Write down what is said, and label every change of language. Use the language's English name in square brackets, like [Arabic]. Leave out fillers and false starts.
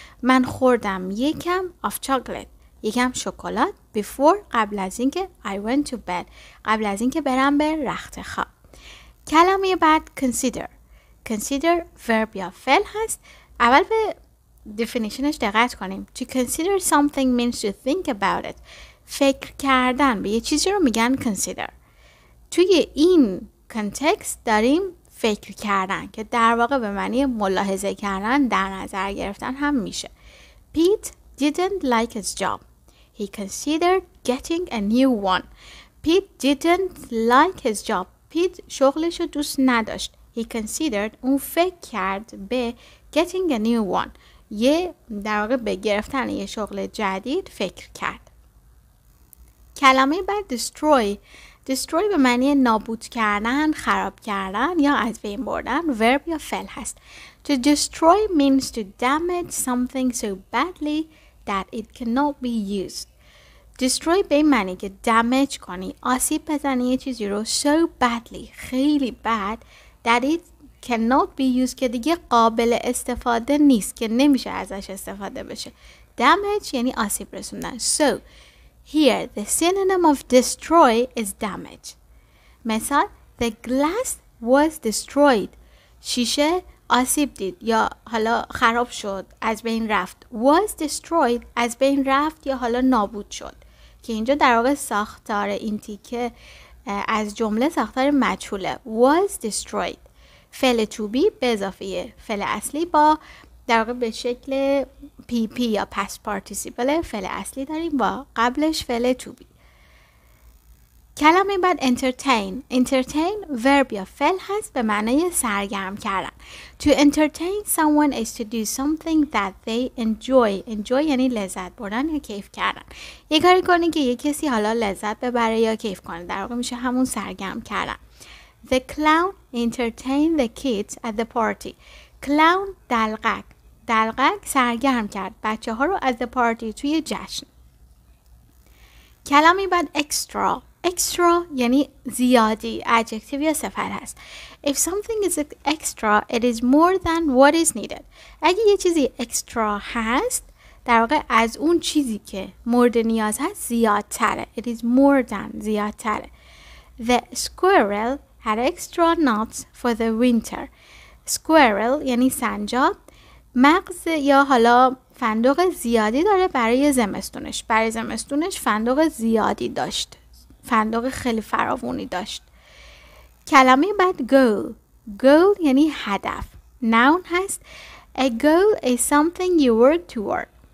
[Persian] من خوردم یکم [English] of chocolate. [Persian] یکم شکلات [English] before [Persian] قبل از اینکه [English] I went to bed. [Persian] قبل از اینکه برم به رخت خواب. کلمه بعد consider. Consider verb یا فعل هست. اول به definitionش دقت کنیم. [English] To consider something means to think about it. [Persian] فکر کردن به یه چیزی رو میگن consider. توی این context داریم فکر کردن که در واقع به معنی ملاحظه کردن، در نظر گرفتن هم میشه. [English] Pete didn't like his job. He considered getting a new one. Pete didn't like his job. Pete [Persian] شغلش رو دوست نداشت. [English] He considered [Persian] اون فکر کرد به [English] getting a new one. [Persian] یه در واقع به گرفتن یه شغل جدید فکر کرد. کلمه بعد destroy. Destroy به معنی نابود کردن، خراب کردن یا از بین بردن. Verb یا فعل هست. [English] To destroy means to damage something so badly that it cannot be used. [Persian] Destroy به معنی که damage کنی، آسیب بزنی یه چیزی رو so badly، خیلی bad [English] that it cannot be used [Persian] که دیگه قابل استفاده نیست، که نمیشه ازش استفاده بشه. Damage یعنی آسیب رسوندن. [English] So here the synonym of destroy is damage. مثال: The glass was destroyed. [Persian] شیشه آسیب دید یا حالا خراب شد، از بین رفت. Was destroyed از بین رفت یا حالا نابود شد، که اینجا در واقع ساختار این تیکه از جمله ساختار مجهوله. [English] Was destroyed. [Persian] فعل to be به اضافه فعل اصلی با در واقع به شکل PP یا past participle فعل اصلی داریم با قبلش فعل to be. کلمه بعد entertain. Entertain verb یا فعل هست به معنی سرگرم کردن. [English] To entertain someone is to do something that they enjoy. [Persian] Enjoy یعنی لذت بردن یا کیف کردن. یه کاری کنی که یه کسی حالا لذت ببره یا کیف کنه. در واقع میشه همون سرگرم کردن. [English] The clown entertained the kids at the party. [Persian] Clown دلقک. دلقک سرگرم کرد بچه ها رو [English] at the party [Persian] توی جشن. کلمه بعد extra. Extra یعنی زیادی، adjective یا صفت هست. [English] If something is extra, it is more than what is needed. [Persian] اگه یه چیزی extra هست، در واقع از اون چیزی که مورد نیاز هست زیادتره. [English] It is more than، [Persian] زیادتره. [English] The squirrel had extra nuts for the winter. [Persian] Squirrel یعنی سنجاب، مغز یا حالا فندق زیادی داره برای زمستونش. برای زمستونش فندق زیادی داشت. فندق خیلی فراوانی داشت. کلمه بعد goal. [English] Goal [Persian] یعنی هدف. [English] Noun هست. A goal is something you work toward.